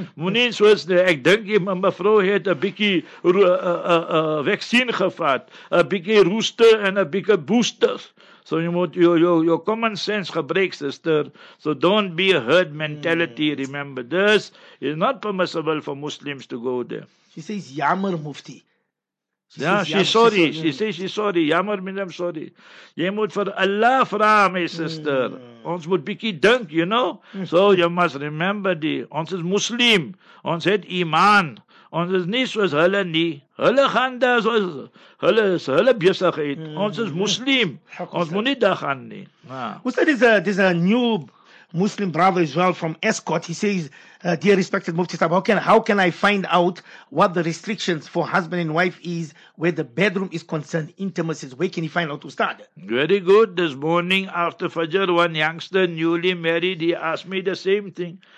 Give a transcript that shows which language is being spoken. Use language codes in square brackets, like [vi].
[af] Moenie soos, ek dink jy, my vrou het 'n bietjie vaksin gevat, 'n bietjie rooster en 'n bietjie booster. [en] So you [af] moet [en] your common sense [af] gebruik, [en] sister. So don't be a herd mentality. Remember this, it's not permissible for Muslims to go there. She says, [af] jammer, [en] Mufti. She says she's sorry. [af] Jammer, [en] I'm sorry. [af] Jy moet vir Allah vra, my [en] sister. [af] Ons moet bietjie dink, [en] you know. So you must remember the [af] ons [en] is Muslim. [af] Ons het iman. Ons is nie soos hulle nie. Hulle gaan daar soos hulle is hulle besigheid. Ons is Muslim. Ons moet nie daar gaan nie. [en] Ustad, there's a new Muslim brother as well from Escort. He says, dear respected Mufti Sahab, how can I find out what the restrictions for husband and wife is where the bedroom is concerned, intimacy? Where can he find out, Ustad? Very good. This morning after Fajr, one youngster newly married, he asked me the same thing.